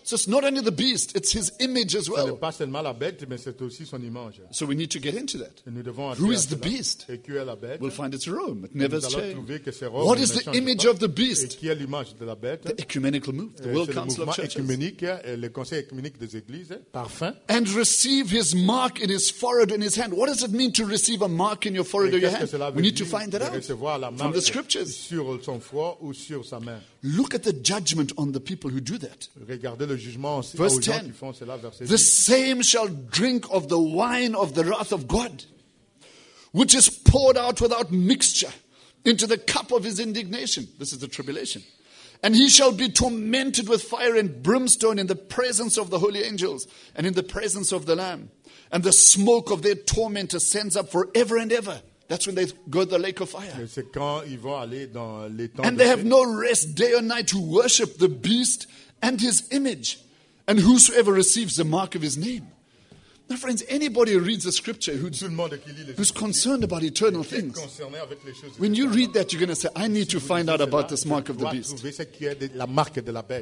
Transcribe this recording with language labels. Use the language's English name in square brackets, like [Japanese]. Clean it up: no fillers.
[English] So it's not only the beast, it's his image as well. [French] Pas seulement la bête, mais c'est aussi son image. [English] So we need to get into that. [French] Nous devons [English] who is the beast? [French] Et qui est la bête? [English] We'll find it's Rome. It never changes. What is the image of the beast? [French] Et qui est l'image de la bête? [English] The ecumenical move, the World Council of Churches. [French] Ecumenique, et le conseil ecumenique des églises. Parfum. [English] And receive his mark in his forehead and his hand. What does it mean to receive a mark in your forehead or your hand? We need to find that out from the scriptures. [French] Sur son front ou sur sa main. [English] Look at the judgment on the people who do that. [French] Regardez le jugement aussi aux gens qui font cela, verset 10. [English] The same shall drink of the wine of the wrath of God, which is poured out without mixture into the cup of his indignation. This is the tribulation. And he shall be tormented with fire and brimstone in the presence of the holy angels and in the presence of the Lamb. And the smoke of their torment ascends up forever and ever. That's when they go to the lake of fire. [French] C'est quand ils vont aller dans les temps. [English] And they have no rest day or night who worship the beast and his image, and whosoever receives the mark of his name. Now, friends, anybody who reads the scripture who's concerned about eternal things, when you read that, you're going to say, I need to find out about this mark of the beast.